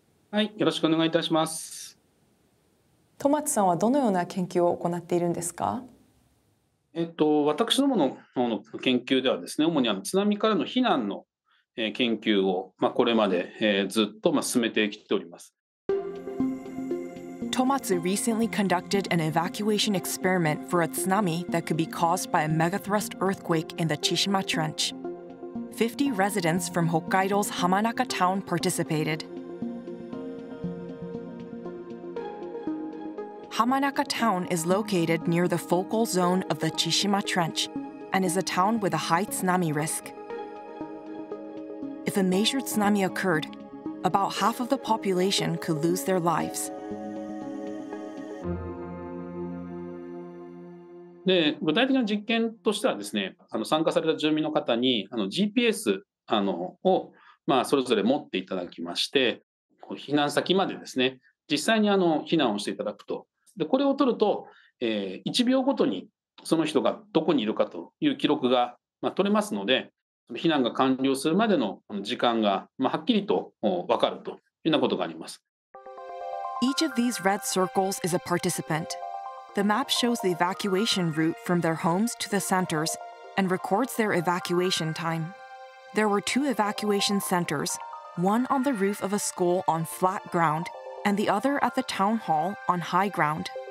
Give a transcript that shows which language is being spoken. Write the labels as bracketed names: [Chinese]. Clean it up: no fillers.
[Japanese] はい、よろしくお願いいたします。 Tomatsu-san はどのような研究を行っているんですか？私どもの方の研究ではですね、主に津波からの避難の研究を、これまで、ずっと、進めてきております。 [English] Tomatsu recently conducted an evacuation experiment for a tsunami that could be caused by a megathrust earthquake in the Chishima Trench. 50 residents from Hokkaido's Hamanaka town participated. Hamanaka town is located near the focal zone of the Chishima Trench and is a town with a high tsunami risk. If a major tsunami occurred, about half of the population could lose their lives. [Japanese] で、具体的な実験としてはですね、参加された住民の方に GPS を、それぞれ持っていただきまして、避難先までですね、実際に避難をしていただくと。で、これを取ると、1秒ごとにその人がどこにいるかという記録が、取れますので、避難が完了するまでの時間が、はっきりと分かるというようなことがあります。 [English] Each of these red circles is a participant. The map shows the evacuation route from their homes to the centers and records their evacuation time. There were two evacuation centers, one on the roof of a school on flat ground and the other at the town hall on high ground.